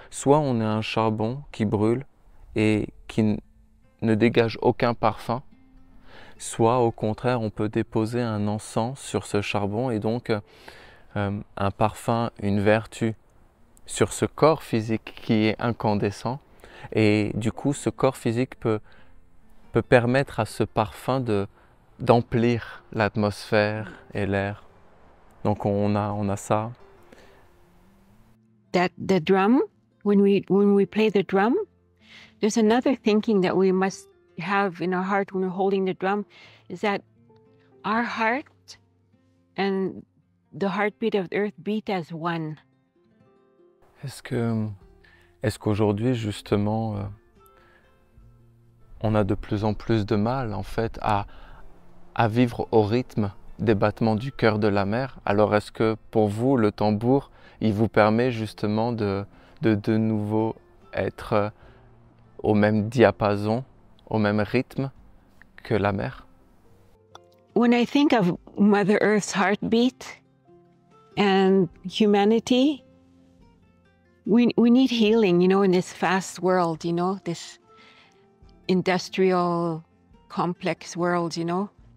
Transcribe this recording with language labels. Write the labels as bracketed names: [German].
[French] Soit on est un charbon qui brûle et qui ne dégage aucun parfum, soit au contraire on peut déposer un encens sur ce charbon et donc un parfum, une vertu sur ce corps physique qui est incandescent et du coup ce corps physique peut permettre à ce parfum d'emplir l'atmosphère et l'air. Donc on a ça. [English] That the drum, when we play the drum, there's another thinking that we must have in our heart when we're holding the drum, is that our heart and the heartbeat of the earth beat as one. [French] Est-ce qu'aujourd'hui justement on a de plus en plus de mal en fait à vivre au rythme des battements du cœur de la mère? Alors est-ce que pour vous le tambour il vous permet justement de nouveau être au même diapason, au même rythme que la mère? [English] When I think of Mother Earth's heartbeat and humanity, we need healing, you know, in this fast world, you know, this industrial complex world, you know.